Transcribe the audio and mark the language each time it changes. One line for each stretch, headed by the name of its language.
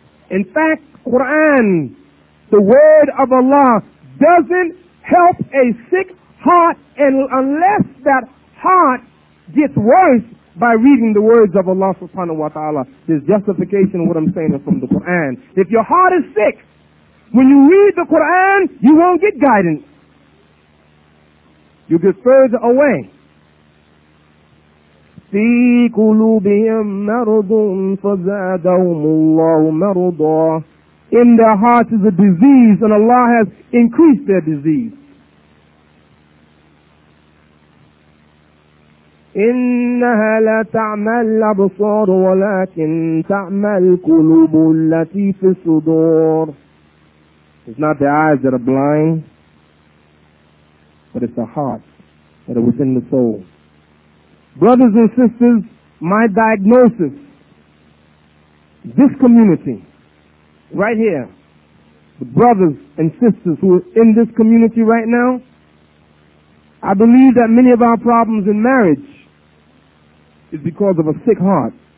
English: In fact, Quran, the word of Allah, doesn't help a sick heart unless that heart gets worse by reading the words of Allah subhanahu wa ta'ala. There's justification of what I'm saying is from the Quran. If your heart is sick, when you read the Quran, you won't get guidance. You get further away.
Arabic: في قلوبهم مرض فزادهم الله مرضا.
English: In their hearts is a disease, and Allah has increased their disease.
Arabic: إنها لتعمى الأبصار ولكن تعمى القلوب التي في الصدور.
English: It's not the eyes that are blind, but it's the heart that is within the soul. Brothers and sisters, my diagnosis this community, right here, the brothers and sisters who are in this community right now, I believe that many of our problems in marriage is because of a sick heart.